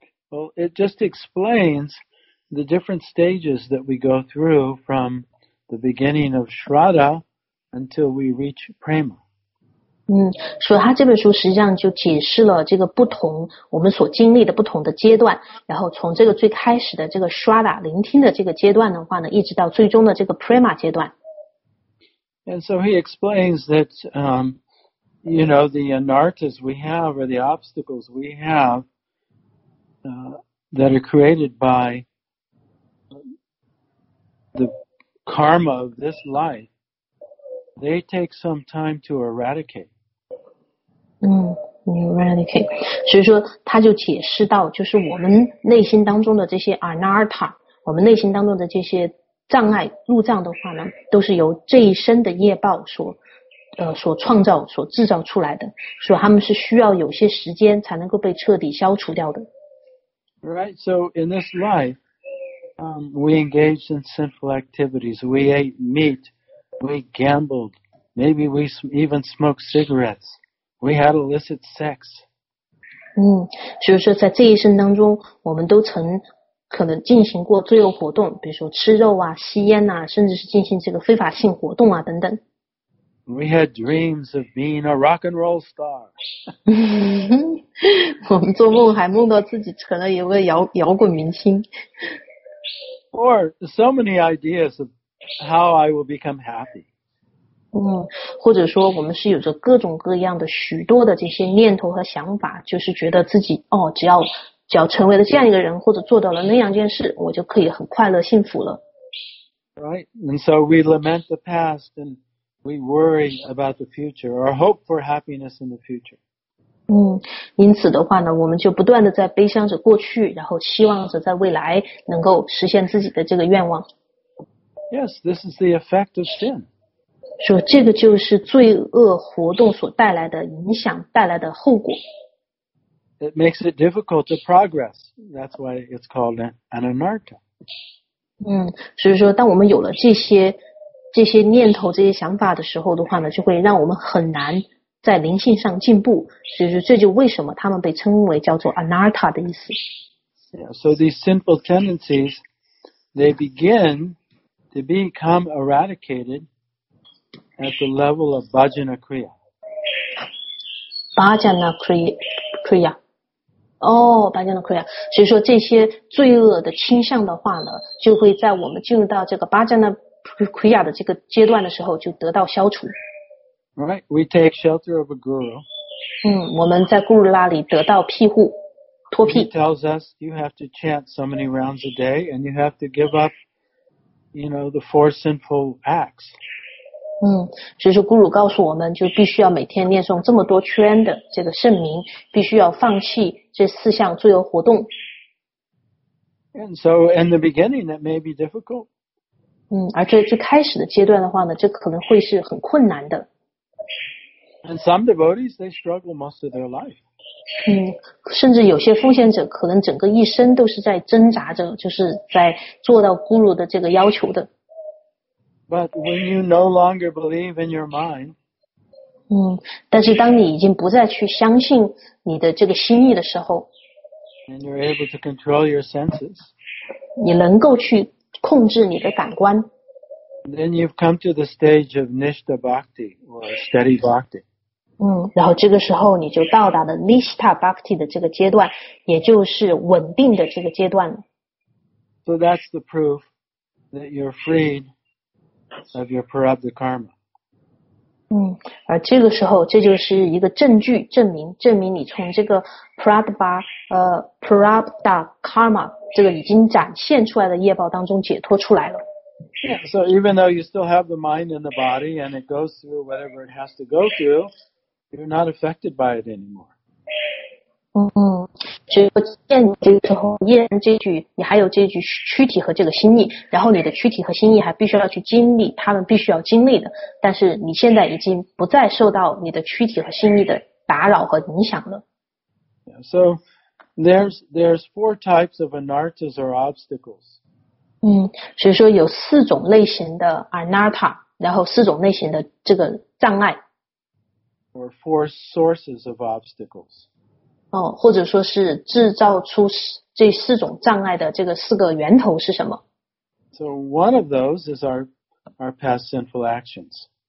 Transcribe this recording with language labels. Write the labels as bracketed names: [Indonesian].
[English] Well, it just explains the different stages that we go through from the beginning of Shraddha until we reach Prema. [Chinese] 所以他这本书实际上就解释了这个不同我们所经历的不同的阶段，然后从这个最开始的这个 Shraddha 聆听的这个阶段的话呢，一直到最终的这个 Prema 阶段。 [English] And so he explains that, you know, the anartas we have or the obstacles we have, that are created by the karma of this life, they take some time to eradicate. Eradicate. [Chinese] 所以说他就解释到就是我们内心当中的这些 anarta, 我们内心当中的这些障碍路障的话呢，都是由这一生的业报所创造所制造出来的，所以他们是需要有些时间才能够被彻底消除掉的。 [English] Right, so in this life, we engaged in sinful activities. We ate meat. We gambled. Maybe we even smoked cigarettes. We had illicit sex. [Chinese] 所以说在这一生当中，我们都曾可能进行过罪恶活动，比如说吃肉啊、吸烟啊，甚至是进行这个非法性活动啊等等。 [English] We had dreams of being a rock and roll star. [Chinese] 我们做梦还梦到自己成了一位摇滚明星。 [English] Or so many ideas of how I will become happy. [Chinese] 或者说我们是有着各种各样的许多的这些念头和想法，就是觉得自己哦，只要成为了这样一个人，或者做到了那样件事，我就可以很快乐幸福了。 [English] Right, and so we lament the past and we worry about the future or hope for happiness in the future. [Chinese] 因此的话呢，我们就不断的在悲伤着过去，然后希望着在未来能够实现自己的这个愿望。 [English] Yes, this is the effect of sin. [Chinese] 说这个就是罪恶活动所带来的影响，带来的后果。 [English] It makes it difficult to progress. That's why it's called an anartha. [Chinese] 所以说当我们有了这些念头这些想法的时候的话呢，就会让我们很难在灵性上进步，所以说这就为什么他们被称为叫做 anartha 的意思。 [English] Yeah, so these sinful tendencies, they begin to become eradicated at the level of bhajana kriya. Bhajana kriya. Bhajana Kriya. [Chinese] 所以说这些罪恶的倾向的话呢，就会在我们进入到这个 Bhajana Kriya 的这个阶段的时候就得到消除。 [English] Right, we take shelter of a guru. [Chinese] 我们在 guru 那里得到庇护，脱庇。 [English] He tells us you have to chant so many rounds a day and you have to give up, you know, the four sinful acts. [Chinese] 所以说 guru 告诉我们就必须要每天念诵这么多圈的这个圣名，必须要放弃这四项罪恶活动。 [English] And so in the beginning that may be difficult. [Chinese] 而这最开始的阶段的话呢，这可能会是很困难的。 [English] And some devotees, they struggle most of their life. [Chinese] 甚至有些奉献者可能整个一生都是在挣扎着，就是在做到 guru 的这个要求的。 [English] But when you no longer believe in your mind, [Chinese] 但是当你已经不再去相信你的这个心意的时候， [English] and you're able to control your senses, [Chinese] 你能够去控制你的感官， [English] then you've come to the stage of nishtha bhakti or steady bhakti. [Chinese] 然后这个时候你就到达了 nishtha bhakti 的这个阶段，也就是稳定的这个阶段了。 [English] So that's the proof that you're freed. Of your prarabdha karma. [Chinese] 而这个时候，这就是一个证据，证明你从这个 prarabdha karma 这个已经展现出来的业报当中解脱出来了。 [English] Yeah, so even though you still have the mind and the body, and it goes through whatever it has to go through, you're not affected by it anymore. [Chinese] 只有见这个时候，依然这具，你还有这具躯体和这个心意，然后你的躯体和心意还必须要去经历他们必须要经历的，但是你现在已经不再受到你的躯体和心意的打扰和影响了。 [English] So there's four types of anarthas or obstacles. [Chinese] 所以说有四种类型的 anartha 然后四种类型的这个障碍。 [English] Or four sources of obstacles. [Chinese] 哦，或者说是制造出这四种障碍的这个四个源头是什么？ [English] So one of those is our past sinful actions.